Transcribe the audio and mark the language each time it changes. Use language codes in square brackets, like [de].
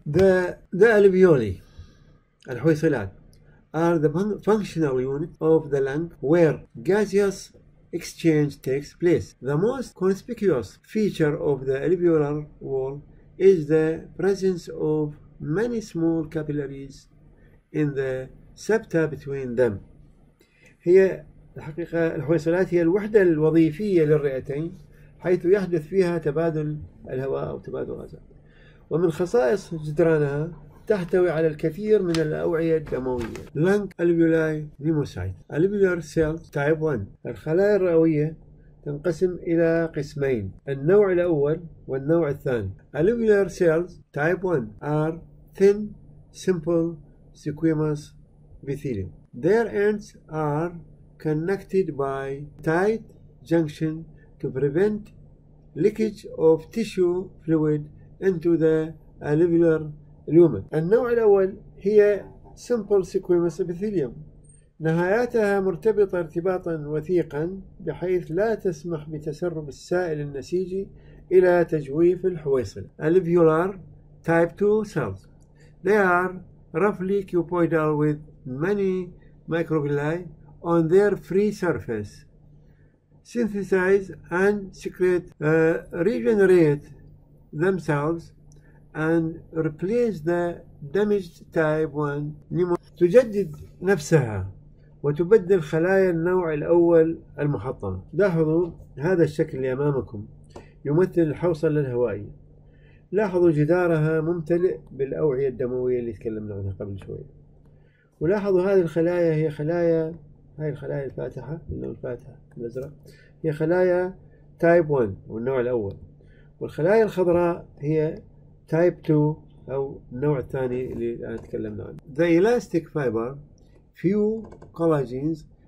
[en] The alveoli, الحويصلات, are the functional unit of the lung where gaseous exchange takes place. The most conspicuous feature of the alveolar wall is the presence of many small capillaries in the septa between them. [ar] هي الحقيقة الحويصلات هي الوحدة الوظيفية للرئتين حيث يحدث فيها تبادل الهواء أو تبادل غازات. ومن خصائص جدرانها تحتوي على الكثير من الأوعية الدموية. [en] Lung alveoli pneumocyte. Alveolar cells type 1. [ar] الخلايا الرئوية تنقسم إلى قسمين. النوع الأول والنوع الثاني. [en] Alveolar cells type 1 are thin, simple, squamous epithelium. Their ends are connected by tight junction to prevent leakage of tissue fluid into the alveolar lumen. [ar] النوع الأول هي simple squamous epithelium. نهاياتها مرتبطة ارتباطا وثيقا بحيث لا تسمح بتسرب السائل النسيجي إلى تجويف الحويصل. [en] Alveolar type 2 cells. They are roughly cuboidal with many microvilli on their free surface. Synthesize and secrete regenerate themselves and replace the damaged type 1 pneumocyte. [ar] تجدد نفسها وتبدل خلايا النوع الأول المحطمة. لاحظوا هذا الشكل اللي أمامكم يمثل الحوصلة الهوائية. لاحظوا جدارها ممتلئ بالأوعية الدموية اللي تكلمنا عنها قبل شوية. ولاحظوا هذه الخلايا هي خلايا, هاي الخلايا الفاتحة اللون الفاتح الأزرق هي خلايا type 1 والنوع الأول, والخلايا الخضراء هي type 2 أو النوع الثاني اللي تكلمنا عنه. [en] The elastic fiber, few collagens